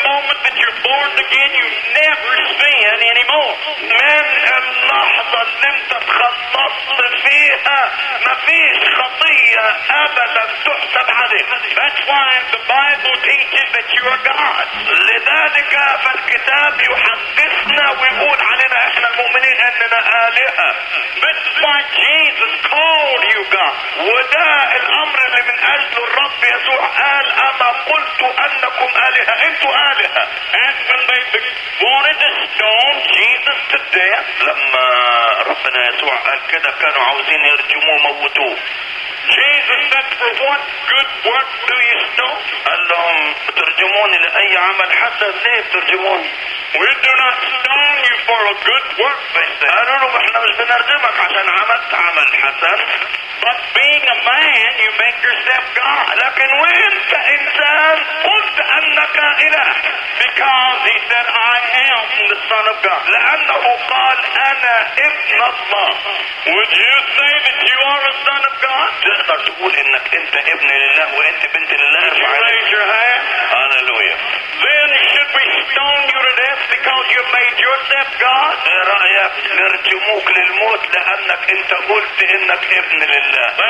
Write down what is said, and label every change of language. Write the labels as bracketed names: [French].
[English] moment that you're born again, you never sin anymore. [Arabic] من اللحظة اللي انت تخلص لفيها ما فيش خطية أبدا تحسب عليك. [English] That's why the Bible teaches that you are God. [Arabic] لذلك فالكتاب يحدثنا ويقول علينا احنا المؤمنين اننا آلهة. [English] That's why Jesus called you God. [Arabic] وده الامر اللي من اجله الرب يسوع قال اما قلت انكم آلهة. انتوا آلهة. [English] And when they wanted to stone Jesus to death. [Arabic] لما ربنا يسوع قال كده كانوا عاوزين يرجموه وموتوه. [English] Jesus said, for what good work do you stone? [Arabic] قال لهم ترجموني لأي عمل حتى ليه ترجموني. [English] We do not stone you for a good work. [Arabic] قالوا لهم احنا مش بنرجمك عشان عملت عمل حسن. [English] But being a man, you make yourself God. [Arabic] لكن وانت انسان قلت انك اله. [English] Because he said, I am the son of God. [Arabic] لانه قال انا ابن الله. [English] Would you say that you are a son of God? [Arabic] تقدر تقول انك انت ابن لله وانت بنت لله. [English] Raise your hand. Hallelujah. Then should we stone you to death because you made yourself God? [Arabic] ايه رأيك نرجموك للموت لانك انت قلت انك ابن لله.